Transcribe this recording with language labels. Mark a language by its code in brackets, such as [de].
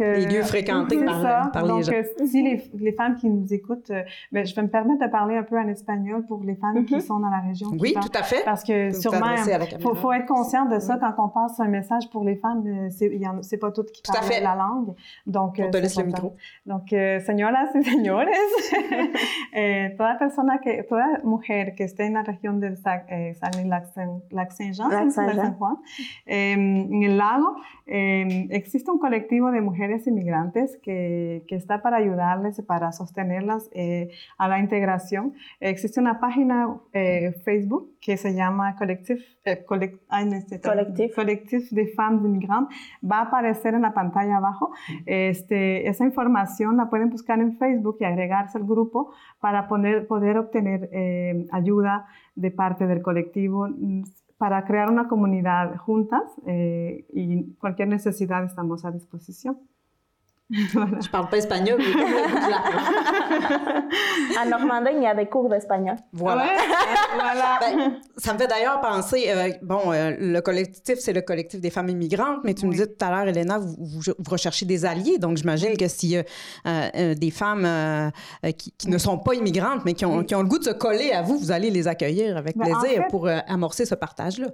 [fr] les lieux fréquentés par les donc, gens. Donc, si les femmes qui nous écoutent, je vais me permettre de parler un peu en espagnol pour les femmes qui sont dans la région. Oui, tout à fait. Parce que sûrement, il faut être conscient de ça. Oui. Quand on passe un message pour les femmes, c'est pas toutes qui tout parlent la langue. Donc, on te laisse le micro. [es] Donc, señoras y señores, toda persona que, toda mujer que esté en la región del SAC, Lac Saint-Jean. En el lago existe un colectivo de mujeres inmigrantes que está para ayudarles y para sostenerlas a la integración. Existe una página Facebook que se llama Collectif des femmes immigrantes. Va a aparecer en la pantalla abajo. Esa información la pueden buscar en Facebook y agregarse al grupo para poder obtener ayuda de parte del colectivo para crear una comunidad juntas y cualquier necesidad estamos a disposición. [fr] Je parle pas espagnol, mais à Normandie, il y a des cours d'espagnol. Voilà. Voilà. Ça me fait d'ailleurs penser, le collectif, c'est le collectif des femmes immigrantes, mais tu me disais tout à l'heure, Elena, vous recherchez des alliés, donc j'imagine que si des femmes qui ne sont pas immigrantes, mais qui ont le goût de se coller à vous, vous allez les accueillir avec plaisir pour amorcer ce partage-là.